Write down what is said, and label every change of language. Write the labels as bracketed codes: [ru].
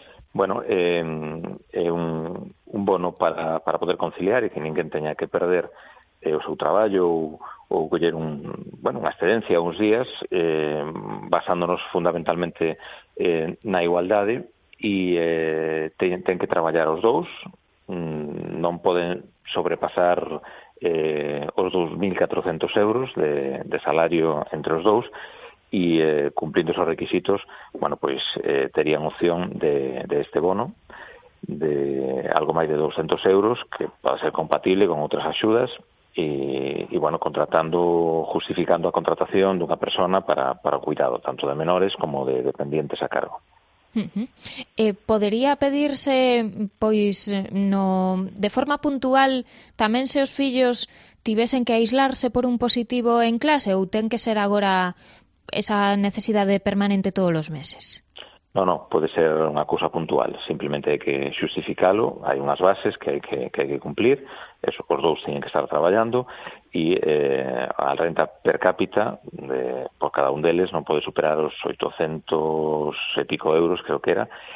[gl] Bueno, é un bono para poder conciliar e que ninguén teña que perder o seu traballo ou coller unha excedencia uns días basándonos fundamentalmente na igualdade e ten que traballar os dous, non poden sobrepasar os 2.400 euros de salario entre os dous [es] y cumpliendo esos requisitos, bueno, pues tenían opción de este bono de algo más de 200 euros que va a ser compatible con otras ayudas y bueno, contratando, justificando la contratación de una persona para cuidado, tanto de menores como de dependientes a cargo. Uh-huh. [gl] ¿Podería pedirse, pois, no, de forma puntual, tamén se os fillos tivesen que aislarse por un positivo en clase ou ten que ser agora esa necesidade permanente todos os meses? No, pode ser unha cousa puntual, simplemente hai que xustificalo, hai unhas bases que hai que cumplir, eso, os dous teñen que estar traballando, e a renta per cápita por cada un deles non pode superar os 800 e pico euros, creo que era,